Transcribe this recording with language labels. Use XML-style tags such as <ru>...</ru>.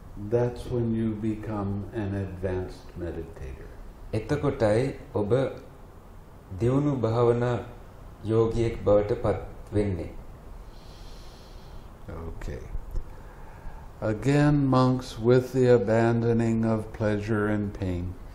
<en>That's when you become an advanced meditator.</en> <si>එතකොටයි ඔබ දියුණු භාවනා යෝගියෙක් බවට පත් වෙන්නේ.</si> <en>Okay. Again, monks, with the abandoning of pleasure and pain.</en>